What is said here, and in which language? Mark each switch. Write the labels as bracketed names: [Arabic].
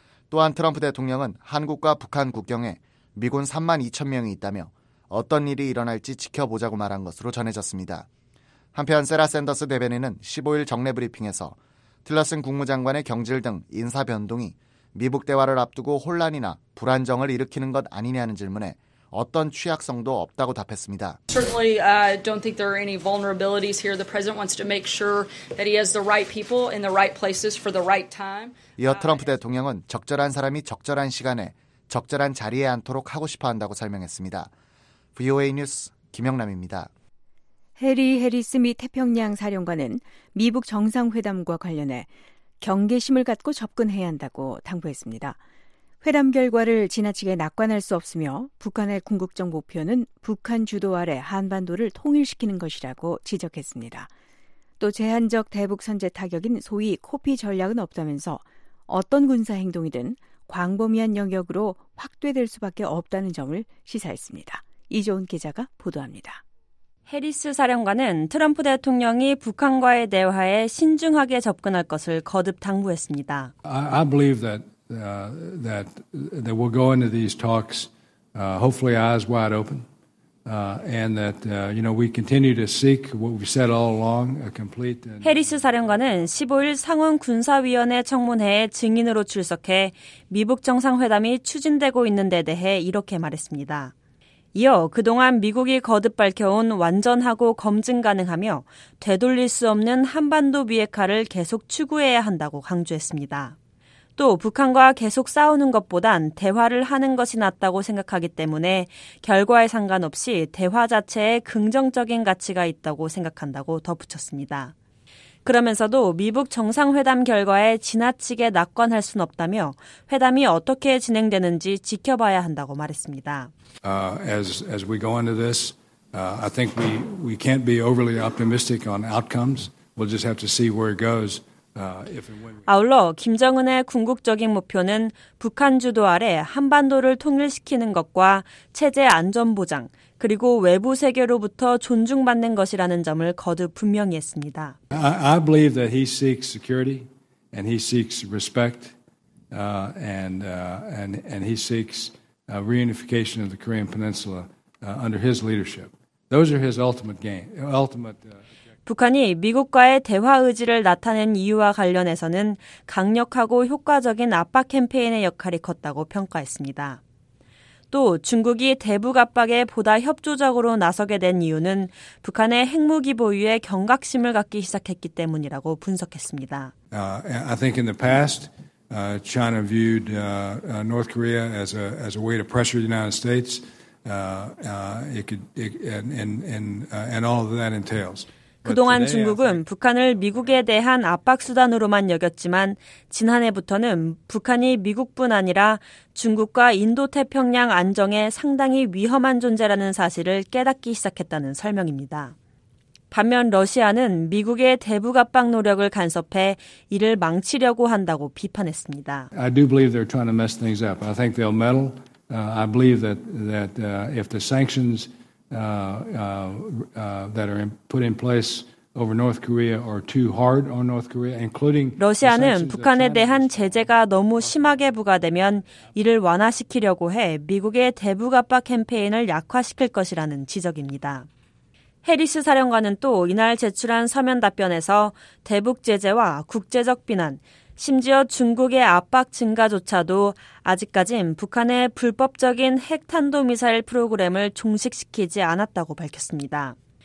[Korean] 또한 트럼프 대통령은 한국과 북한 국경에 미군 3만 2천 명이 있다며 어떤 일이 일어날지 지켜보자고 말한 것으로 전해졌습니다. 한편 세라 샌더스 대변인은 15일 정례 브리핑에서 틸러슨 국무장관의 경질 등 인사 변동이 미북 대화를 앞두고 혼란이나 불안정을 일으키는 것 아니냐는 질문에 어떤 취약성도 없다고 답했습니다. [English] Certainly, I don't think there are any vulnerabilities here. The president wants to make sure that he has the right people in the right places for the right time. [Korean] 이어 트럼프 대통령은 적절한 사람이 적절한 시간에 적절한 자리에 앉도록 하고 싶어 한다고 설명했습니다. VOA 뉴스 김영남입니다. 해리 해리스 미 태평양 사령관은 미북 정상회담과 관련해 경계심을 갖고 접근해야 한다고 당부했습니다. 회담 결과를 지나치게 낙관할 수 없으며 북한의 궁극적 목표는 북한 주도 아래 한반도를 통일시키는 것이라고 지적했습니다. 또 제한적 대북 선제 타격인 소위 코피 전략은 없다면서 어떤 군사 행동이든 광범위한 영역으로 확대될 수밖에 없다는 점을 시사했습니다. 이조은 기자가 보도합니다. 해리스 사령관은 트럼프 대통령이 북한과의 대화에 신중하게 접근할 것을 거듭 당부했습니다. [English] I believe that we'll go into these talks hopefully eyes wide open and that you know we continue to seek what we said all along a complete [Korean] 해리스 사령관은 15일 상원 군사위원회 청문회에 증인으로 출석해 미북 정상회담이 추진되고 있는 데 대해 이렇게 말했습니다. 이어 그동안 미국이 거듭 밝혀온 완전하고 검증 가능하며 되돌릴 수 없는 한반도 비핵화를 계속 추구해야 한다고 강조했습니다. 또 북한과 계속 싸우는 것보단 대화를 하는 것이 낫다고 생각하기 때문에 결과에 상관없이 대화 자체에 긍정적인 가치가 있다고 생각한다고 덧붙였습니다. 그러면서도 미북 정상회담 결과에 지나치게 낙관할 순 없다며 회담이 어떻게 진행되는지 지켜봐야 한다고 말했습니다. [English] As we go into this, I think we can't be overly optimistic on outcomes. We'll just have to see where it goes. [Korean] 아울러 김정은의 궁극적인 목표는 북한 주도 아래 한반도를 통일시키는 것과 체제 안전보장, 그리고 외부 세계로부터 존중받는 것이라는 점을 거듭 분명히 했습니다. [English] I believe that he seeks security and he seeks respect and he seeks reunification of the Korean Peninsula under his leadership. Those are his ultimate game, ultimate [Korean] 북한이 미국과의 대화 의지를 나타낸 이유와 관련해서는 강력하고 효과적인 압박 캠페인의 역할이 컸다고 평가했습니다. 또 중국이 대북 압박에 보다 협조적으로 나서게 된 이유는 북한의 핵무기 보유에 경각심을 갖기 시작했기 때문이라고 분석했습니다. [English] I think in the past, China viewed North Korea as a way to pressure the United States. And all of that entails. [Korean] 그동안 중국은 북한을 미국에 대한 압박수단으로만 여겼지만 지난해부터는 북한이 미국뿐 아니라 중국과 인도태평양 안정에 상당히 위험한 존재라는 사실을 깨닫기 시작했다는 설명입니다. 반면 러시아는 미국의 대북 압박 노력을 간섭해 이를 망치려고 한다고 비판했습니다. [English] I do believe they're trying to mess things up. I think they'll meddle. I believe that if the sanctions that are put in place over North Korea are too hard on North Korea, including [Korean] 러시아는 북한에 대한 제재가 너무 심하게 부과되면 이를 완화시키려고 해 미국의 대북 압박 캠페인을 약화시킬 것이라는 지적입니다. 해리스 사령관은 또 이날 제출한 서면 답변에서 대북 제재와 국제적 비난, 심지어 중국의 압박 증가조차도 아직까진 북한의 불법적인 핵탄도미사일 프로그램을 종식시키지 않았다고 밝혔습니다.